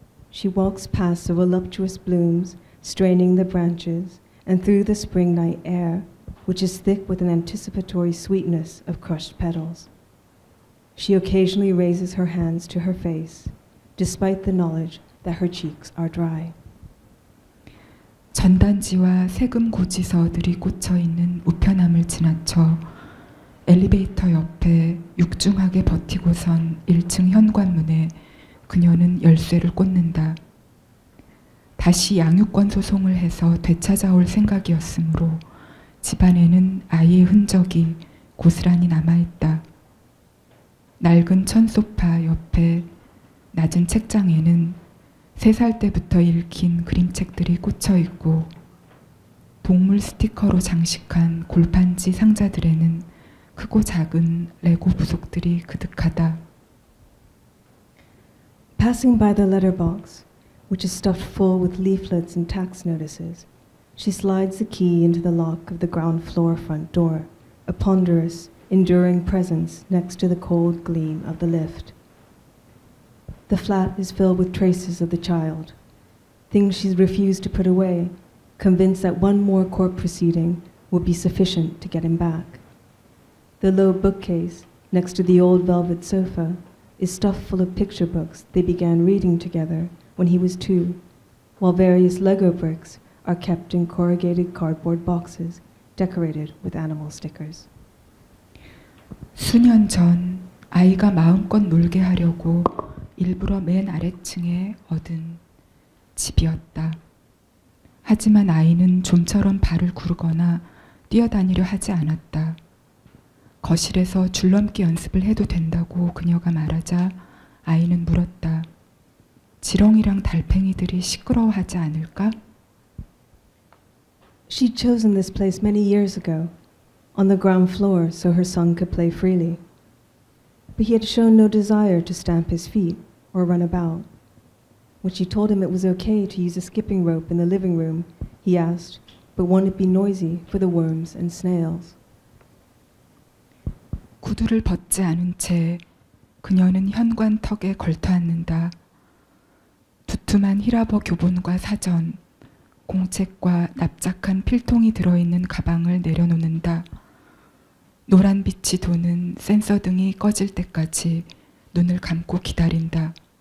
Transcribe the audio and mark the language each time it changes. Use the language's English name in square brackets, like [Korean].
[English] She walks past the voluptuous blooms, straining the branches, and through the spring night air, which is thick with an anticipatory sweetness of crushed petals. She occasionally raises her hands to her face, despite the knowledge that her cheeks are dry. [Korean] 전단지와 세금 고지서들이 꽂혀 있는 우편함을 지나쳐 엘리베이터 옆에 육중하게 버티고 선 1층 현관문에 그녀는 열쇠를 꽂는다. 다시 양육권 소송을 해서 되찾아올 생각이었으므로 집안에는 아이의 흔적이 고스란히 남아있다. 낡은 천소파 옆에 낮은 책장에는 3살 때부터 읽힌 그림책들이 꽂혀있고 동물 스티커로 장식한 골판지 상자들에는 크고 작은 레고 부속들이 그득하다. [English] Passing by the letterbox, which is stuffed full with leaflets and tax notices, she slides the key into the lock of the ground floor front door, a ponderous, enduring presence next to the cold gleam of the lift. The flat is filled with traces of the child, things she's refused to put away, convinced that one more court proceeding would be sufficient to get him back. The low bookcase next to the old velvet sofa is stuffed full of picture books they began reading together when he was 2, while various Lego bricks are kept in corrugated cardboard boxes decorated with animal stickers. [Korean] 수년 전 아이가 마음껏 놀게 하려고 일부러 맨 아래층에 얻은 집이었다. 하지만 아이는 좀처럼 발을 구르거나 뛰어다니려 하지 않았다. 거실에서 줄넘기 연습을 해도 된다고 그녀가 말하자 아이는 물었다. 지렁이랑 달팽이들이 시끄러워하지 않을까? [English] She'd chosen this place many years ago, on the ground floor so her son could play freely. But he had shown no desire to stamp his feet or run about. When she told him it was okay to use a skipping rope in the living room, he asked, but won't it be noisy for the worms and snails? [Korean] 구두를 벗지 않은 채 그녀는 현관 턱에 걸터앉는다. 두툼한 히라버 교본과 사전, 공책과 납작한 필통이 들어있는 가방을 내려놓는다. 노란 빛이 도는 센서 등이 꺼질 때까지 눈을 감고 기다린다.